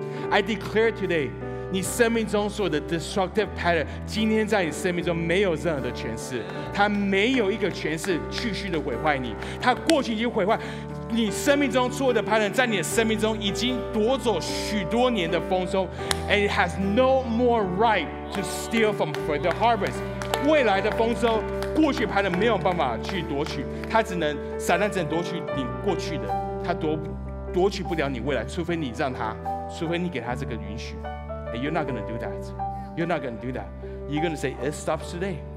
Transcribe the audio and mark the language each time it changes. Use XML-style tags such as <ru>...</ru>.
<en>I declare today</en> <zh>你生命中所有的 destructive pattern 今天在你生命中没有任何的权势，他没有一个权势继续的毁坏你。他过去已经毁坏你生命中错误的 pattern， 在你的生命中已经夺走许多年的丰收。</zh> <en>And it has no more right to steal from for the harvest。</en> <zh>未来的丰收过去 pattern 没有办法去夺取，它只能撒旦只能夺取你过去的，它 夺取不了你未来，除非你让它，除非你给它这个允许。</zh> <en>And you're not going to do that, you're not going to do that, you're going to say it stops today。</en>